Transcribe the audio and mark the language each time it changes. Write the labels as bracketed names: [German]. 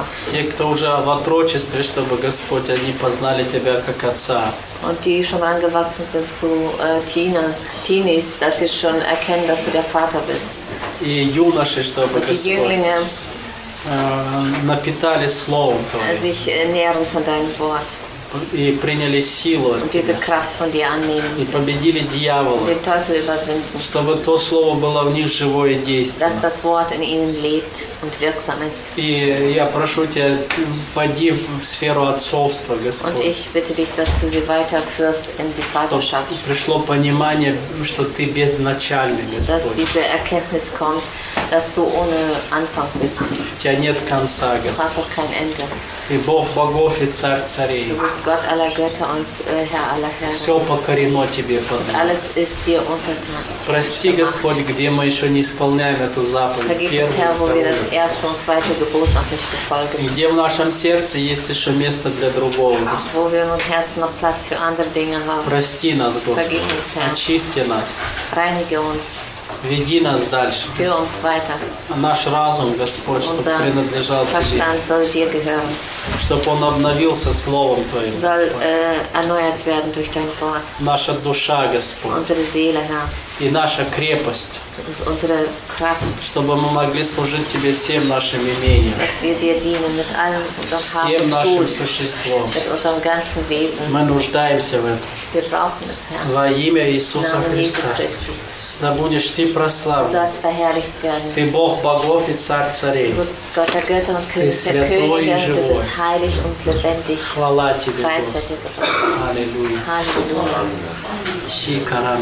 [Russian] Те, кто уже в отрочестве, чтобы Господь, они познали тебя как отца. [German] Und die schon angewachsen sind zu Teenies, dass sie schon erkennen, dass du der Vater bist. [Russian] И юноши, чтобы [German] und die [Russian] Господь, [German] Jünglinge [Russian] напитали словом твоим. [German] Sich ernähren von deinem Wort. [Russian] И приняли силу [German] und diese Kraft von dir annehmen. [Russian] И победили дьявола. [German] Den Teufel überwinden. [Russian] Чтобы то слово было в них живое и действенное. [German] Dass das Wort in ihnen lebt und wirksam ist. [Russian] И я прошу тебя, пойди в сферу отцовства, Господь. [German] Und ich bitte dich, dass du sie weiterführst in die Vaterschaft. [Russian] Чтобы пришло понимание, что ты безначальный, Господь. [German] Dass diese Erkenntnis kommt, dass du ohne Anfang bist. [Russian] У тебя нет конца, Господь. [German] Du hast auch kein Ende. [Russian] И Бог богов и царь царей. [German] Du bist Gott aller Götter und Herr aller Herren. [Russian] Все покорено тебе. [German] Und alles ist dir untertan. [Russian] Прости, Господь, где мы еще не исполняем эту заповедь. [German] Vergib uns, Herr, wo wir das erste und zweite Gebot noch nicht befolgen. [Russian] Где в нашем сердце есть еще место для другого. [German] Wo wir in unserem Herzen noch Platz für andere Dinge haben. [Russian] Прости нас, Господь. [German] Vergib uns, Herr. [Russian] Очисти нас. [German] Reinige uns. [Russian] веди нас дальше. [German] Führ uns weiter. [Russian] Наш разум, Господь, чтобы [German] unser [Russian] принадлежал [German] Verstand [Russian] тебе. [German] Soll dir gehören. [Russian] Чтобы он обновился словом твоим. [German] Soll erneuert werden durch dein Wort. [Russian] Наша душа, Господь. [German] Unsere Seele, Herr. [Russian] И наша крепость. [German] Unsere Kraft. [Russian] Чтобы мы могли служить тебе всем нашим имением. [German] Dass wir dir dienen mit allem, was wir haben. [Russian] Всем нашим существом. [German] Mit unserem ganzen Wesen. [Russian] Мы нуждаемся в этом. [German] Wir brauchen es, Herr. [Russian] Во имя Иисуса Христа. Да будешь ты прославлен. Ты Бог богов и Царь царей. Ты святой и живой. Хвала тебе, Господь. Аллилуйя.